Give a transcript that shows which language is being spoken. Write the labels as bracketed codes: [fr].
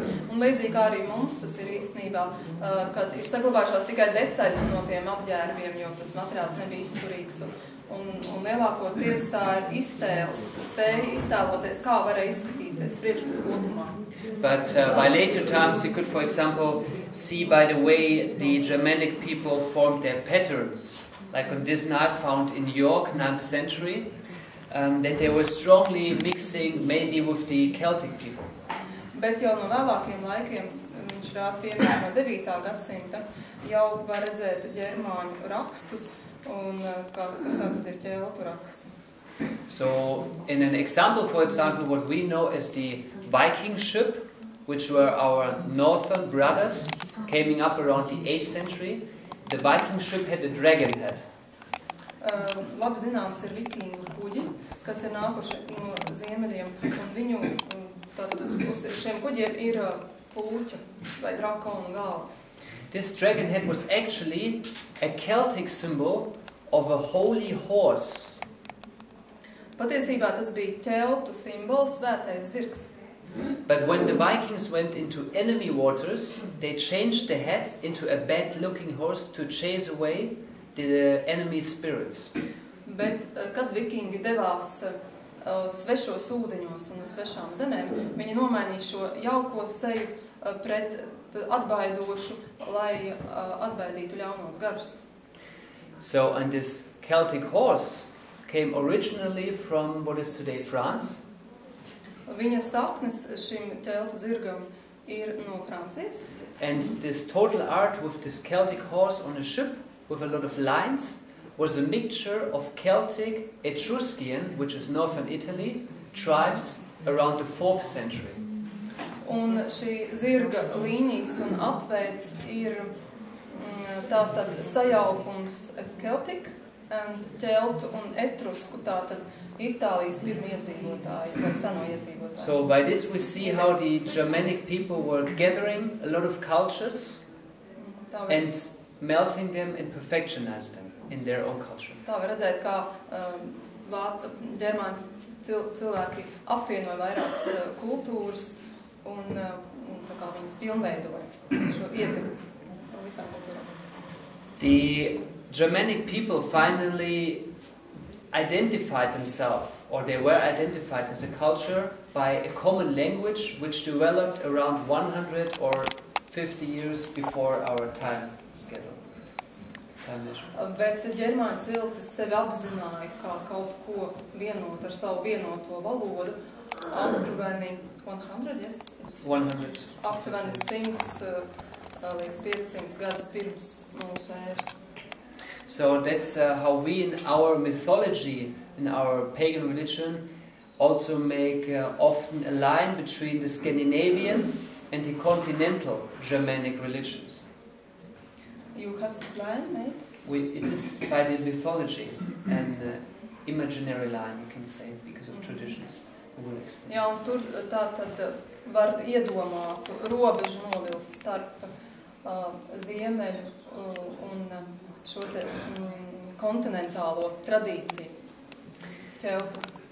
[lv] Un līdzīgi arī mums tas ir īstenībā, kad ir saglabājušās tikai detaļas no tiem apģērbiem, jo tas materiāls nebija izturīgs. Un lielākoties tā ir iztēles, spēja iztēloties, kā varēja izskatīties priekšmetu kopumā. [en] But by later times you could, for example, see by the way the Germanic people formed their patterns. Like on this knife found in York, 9th century. That they were strongly mixing maybe with the Celtic people. [lv] Bet jau no vēlākiem laikiem, viņš rāda piemēram no 9. Gadsimta, jau var redzēt ģermāņu rakstus, un kas tātad ir ķeltu raksti. [en] So, in an example, for example, what we know as the Viking ship, which were our northern brothers, coming up around the 8th century, the Viking ship had a dragon head. [lv] Labi zināms ir vikingu kuģi, kas ir nākuši no ziemeļiem, un viņu, tātad uz šiem kuģiem ir pūķa vai drakona galvas. [en] This dragon head was actually a Celtic symbol of a holy horse. [lv] Patiesībā tas bija ķeltu simbols, svētais zirgs. [en] But when the Vikings went into enemy waters, they changed the head into a bad-looking horse to chase away the enemy spirits. [lv] Bet kad vikingi devās svešos ūdeņos un uz svešām zemēm, viņi nomainīja šo jauko seju pret atbaidošu, lai atbaidītu ļaunos garus. [en] So, and this Celtic horse came originally from what is today France? [lv] Viņa saknes šim ķeltu zirgam ir no Francijas. [en] And this total art with this Celtic horse on a ship with a lot of lines, was a mixture of Celtic, Etruscan, which is northern Italy, tribes around the 4th century. [lv] Un šī zirga līnijas un apveids ir tātad sajaukums [en] Celtic and [lv] Celtu un Etrusku, tātad Itālijas pirmie iedzīvotāji vai seno iedzīvotāji. [en] So by this we see how the Germanic people were gathering a lot of cultures and melting them and perfectionizing them in their own culture. [lv] Tā var redzēt, kā ģermāņu cilvēki apvienoja vairākas kultūras un tā kā viņas pilnveidoja šo ietekmi visām kultūrām. [en] The Germanic people finally identified themselves, or they were identified as a culture, by a common language which developed around 100 or 50 years before our time schedule. [lv] Bet ģermāņu cilti sevi apzināja, kā kaut ko vienot ar savu vienoto valodu, aptuveni 100, [en] yes? 100. [lv] Aptuveni 100 līdz 500 gadus pirms mūsu ēras. [en] So that's how we in our mythology, in our pagan religion, also make often a line between the Scandinavian and the continental Germanic religions. You have this line, mate? It is by the mythology and the imaginary line, you can say, because of traditions. We will explain. [lv] Jā, un tur tātad var iedomāt robežu novilkt starp ziemeļu un šo te kontinentālo tradīciju. Ķeltu.